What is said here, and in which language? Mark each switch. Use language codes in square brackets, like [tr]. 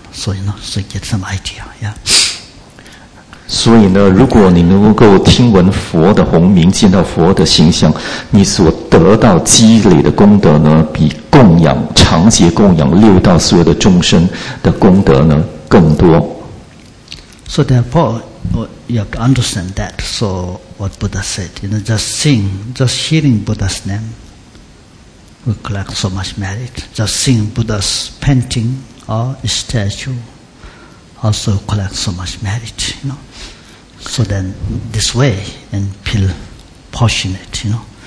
[en] So you know, so get some idea, yeah. [zh] 所以呢，如果你能够听闻佛的洪名，见到佛的形象，你所得到积累的功德呢，比供养长劫供养六道所有的众生的功德呢更多。So [en] therefore, you have to understand that. So what Buddha said, you know, just seeing, just hearing Buddha's name, we collect so much merit. Just seeing Buddha's painting or statue, also collect so much merit. You know. So then, this way, and feel fortunate, you know.